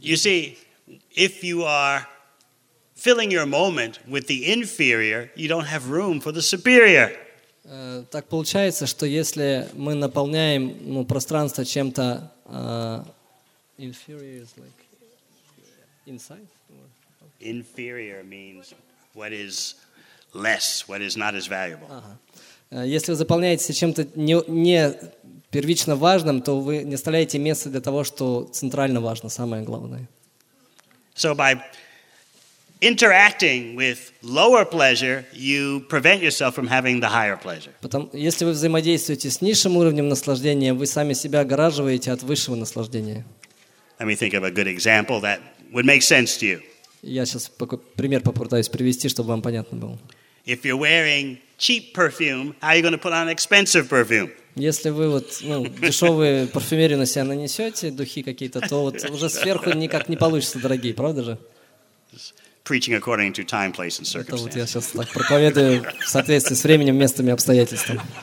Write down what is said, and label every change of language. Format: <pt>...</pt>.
<en>You see, if you are filling your moment with the inferior, you don't have room for the superior.</en> <ru>Так получается, что если мы наполняем пространство чем-то</ru> <en>inferior is like inside? Or inferior means what is less, what is not as valuable.</en> <ru>Если вы заполняетесь чем-то не первично важным, то вы не оставляете места для того, что центрально важно, самое главное.</ru> <en>So by interacting with lower pleasure, you prevent yourself from having the higher pleasure.</en> <ru>Если вы взаимодействуете с низшим уровнем наслаждения, вы сами себя огораживаете от высшего наслаждения.</ru> <en>Let me think of a good example that would make sense to you.</en> <ru>Я сейчас пример попытаюсь привести, чтобы вам понятно было.</ru> <en>If you're wearing cheap perfume, how are you going to put on expensive perfume?</en> <ru>Если вы дешевые парфюмерию на себя нанесете, духи какие-то, то уже сверху никак не получится, дорогие, правда же?</ru> <en>Preaching according to time, place, and circumstances.</en> <ru>Это я сейчас так проповедую в соответствии с временем, местом и обстоятельствами.</ru>